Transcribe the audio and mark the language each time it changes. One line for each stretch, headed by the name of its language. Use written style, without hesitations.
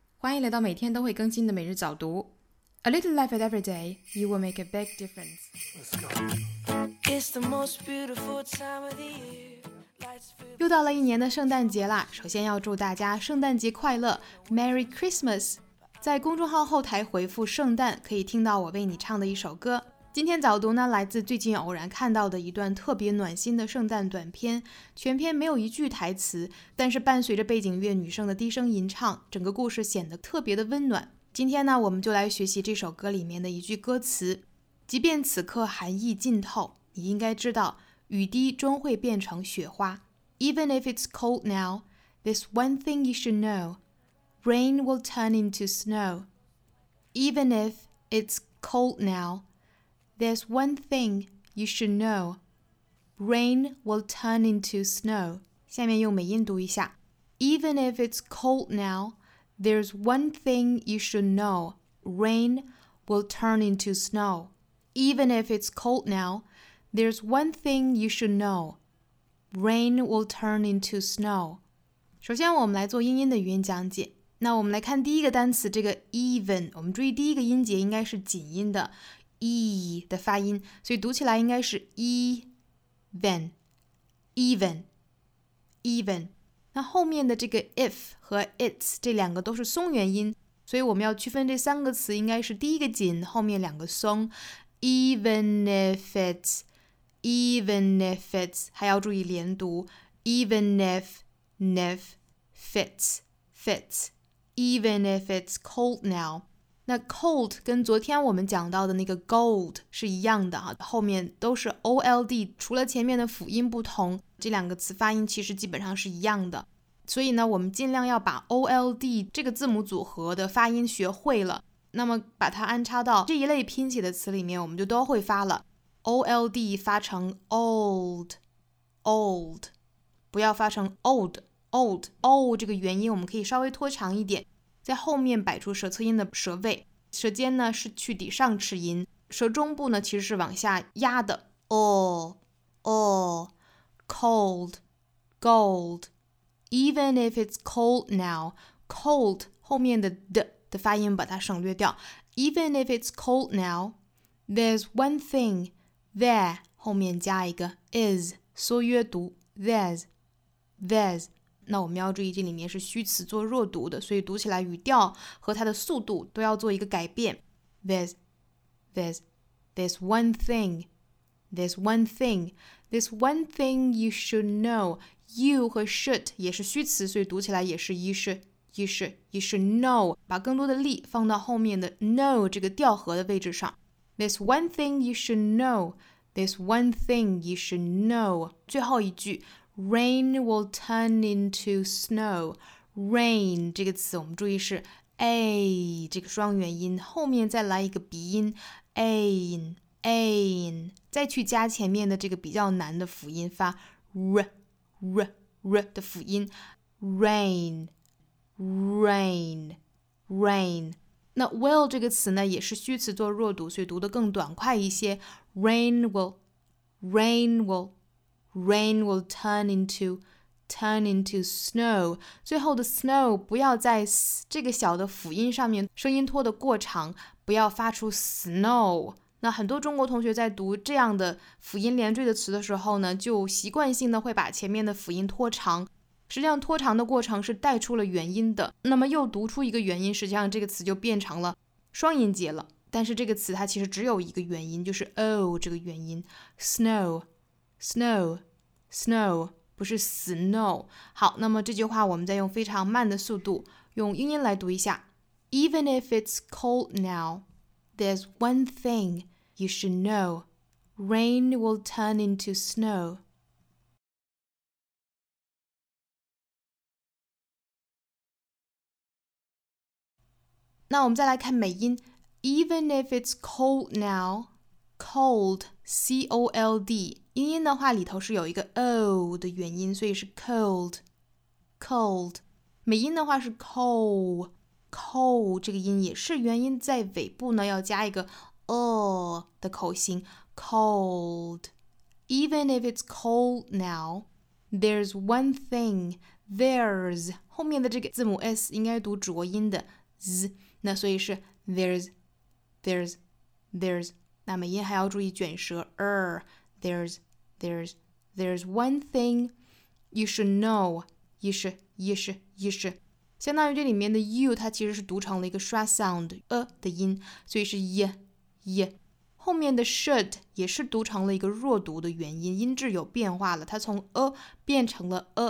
Chinese: 欢迎来到每天都会更新的每日早读。
English: A little life at every day, you will make a big difference. It's the most beautiful time of the year.
Chinese: 又到了一年的圣诞节啦，首先要祝大家圣诞节快乐 ,
English: Merry Christmas!
Chinese: 在公众号后台回复圣诞，可以听到我为你唱的一首歌。今天早读呢，来自最近偶然看到的一段特别暖心的圣诞短片，全片没有一句台词，但是伴随着背景乐女生的低声吟唱，整个故事显得特别的温暖。今天呢，我们就来学习这首歌里面的一句歌词，即便此刻寒意浸透，你应该知道雨滴终会变成雪花。
English: Even if it's cold now, there's one thing you should know, rain will turn into snow. Even if it's cold nowThere's one thing you should know. Rain will turn into snow.
Chinese: 下面用美音读一下。
English: Even if it's cold now, there's one thing you should know. Rain will turn into snow. Even if it's cold now, there's one thing you should know. Rain will turn into snow.
Chinese: 首先我们来做英音的语音讲解。那我们来看第一个单词，这个 even， 我们注意第一个音节应该是紧音的。 E 的发音，所以读起来应该是 even, even, even。那后面的这个 if 和 it's 这两个都是松元音，所以我们要区分这三个词，应该是第一个紧，后面两个松。
English: Even if it's, even if it's，
Chinese: 还要注意连读。
English: Even if, if, fits, fits, even if it's cold now。
Chinese: 那 cold 跟昨天我们讲到的那个 gold 是一样的、后面都是 old， 除了前面的辅音不同，这两个词发音其实基本上是一样的。所以呢，我们尽量要把 old 这个字母组合的发音学会了，那么把它安插到这一类拼写的词里面，我们就都会发了。 old 发成 old， old， 不要发成 old， old， o 这个元音我们可以稍微拖长一点，在后面摆出舌侧音的舌位，舌尖呢是去抵上齿音，舌中部呢其实是往下压的。
English: All, all, cold, gold. Even if it's cold now,
Chinese: cold 后面的 d 的发音把它省略掉。
English: Even if it's cold now, there's one thing, there
Chinese: 后面加一个
English: is
Chinese: 缩约读
English: there's, there's。
Chinese: 那我们要注意这里面是虚词做弱读的，所以读起来语调和它的速度都要做一个改变。
English: There's one thing, there's one thing, there's one thing you should know.
Chinese: You 和 should 也是虚词，所以读起来也是
English: you should know，
Chinese: 把更多的力放到后面的 know 这个调和的位置上。
English: There's one thing you should know, there's one thing you should know。
Chinese: 最后一句，
English: Rain will turn into snow.
Chinese: Rain 这个词我们注意是 A 这个双元音，后面再来一个鼻音 Ain, Ain， 再去加前面的这个比较难的辅音，发 R, R, R 的辅音 Rain, Rain, Rain。那 will 这个词呢也是虚词做弱读，所以读得更短快一些。
English: Rain will, Rain willRain will turn into snow.
Chinese: 最后的 snow 不要在这个小的辅音上面声音拖得过长，不要发出 snow。那很多中国同学在读这样的辅音连缀的词的时候呢，就习惯性的会把前面的辅音拖长，实际上拖长的过程是带出了元音的，那么又读出一个元音，实际上这个词就变成了双音节了。但是这个词它其实只有一个元音，就是 o 这个元音 snowSnow, snow, 不是 snow. 好，那么这句话我们再用非常慢的速度用英音来读一下。
English: Even if it's cold now, there's one thing you should know. Rain will turn into snow.
Chinese: Now, 我们再来看美音。
English: Even if it's cold now, cold, C-O-L-D.
Chinese: 英音的话里头是有一个 o 的元音，所以是 cold, cold。美音的话是 cold, cold， 这个音也是元音，在尾部呢要加一个 o 的口型， cold。
English: Even if it's cold now, there's one thing,
Chinese: there's 后面的这个字母 s 应该读浊音的 z， 那所以是 there's， 那么音还要注意卷舌
English: there's one thing you should know，
Chinese: you should 相当于这里面的 you 它其实是读成了一个刷 sound的音，所以是 y 后面的 should 也是读成了一个弱读的元音，音质有变化了，它从 变成了